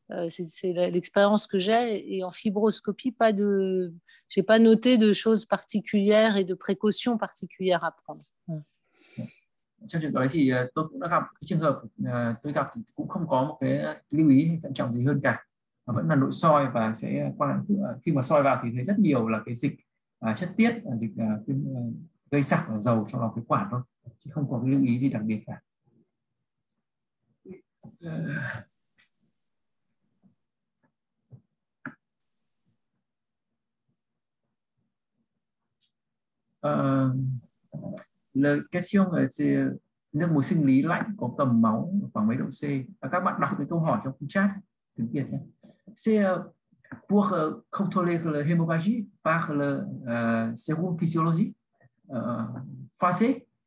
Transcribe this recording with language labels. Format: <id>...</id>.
<fr>C'est l'expérience que j'ai, et en fibroscopie, j'ai pas noté de choses particulières et de précautions particulières à prendre.</fr> <vi>Trong trường hợp đấy thì tôi cũng đã gặp cái trường hợp tôi gặp thì cũng không có một cái lưu ý thận trọng gì hơn cả, vẫn là nội soi và sẽ qua khi mà soi vào thì thấy rất nhiều là cái dịch chất tiết, dịch gây sạc và dầu trong lọc phế quản thôi, chứ không có cái lưu ý gì đặc biệt cả.</vi> <fr>La question</fr> <vi>là nước muối sinh lý lạnh có cầm máu khoảng mấy độ C? Các bạn đọc cái câu hỏi trong chat tiếng Việt nhé.</vi> <fr>C'est pour contrôler la hémorragie par le sérum physiologique passé.</fr>